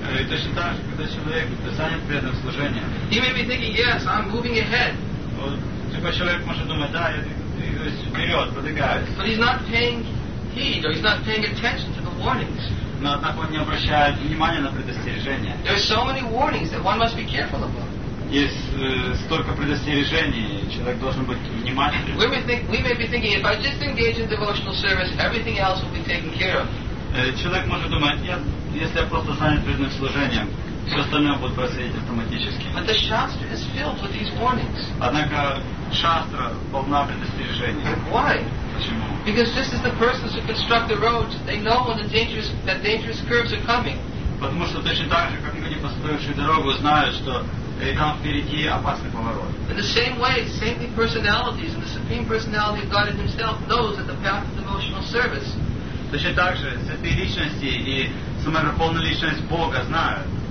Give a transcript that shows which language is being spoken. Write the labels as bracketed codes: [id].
[ru] точно так же, когда человек занят преданным служением, [en] he may be thinking, yes, I'm moving ahead. [ru] Такой человек может думать, да, я двигаюсь вперед, продвигаюсь. [en] But he's not paying heed, or he's not paying attention to the warnings. [ru] но однако он не обращает внимания на предостережение. [en] There are so many warnings that one must be careful about. [ru] Есть столько предостережений, человек должен быть внимательным. [en] We may be thinking, if I just engage in devotional service, everything else will be taken care of. [ru] Человек может думать, если я просто занят преданным служением, все остальное будет происходить автоматически. [en] But the Shastra is filled with these warnings. [ru] Однако Шастра полна предостережений. [en] Why? [ru] Почему? [en] Because just as the persons who construct the roads, they know when the dangerous, that dangerous curves are coming. [ru] Потому что точно так же, как люди, построившие дорогу, знают, что там впереди опасный поворот. [en] In the same way, saintly personalities and the Supreme Personality of Godhead Himself knows that the path of devotional service. [ru] Точно так же, святые личности и сама верховная личность Бога знают.